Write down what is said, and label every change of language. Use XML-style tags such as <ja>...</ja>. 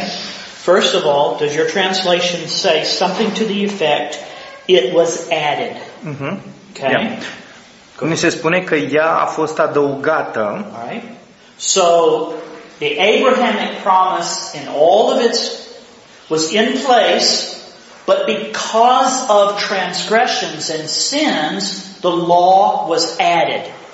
<en>First of all, does your translation say something to the effect it was added? Mm-hmm. Okay. Yeah.</en> <ro>Cum ni se spune că ea a fost adăugată.</ro> <en>Right. So the Abrahamic promise in all of its was in place, but because of transgressions and sins, the law was added.</en>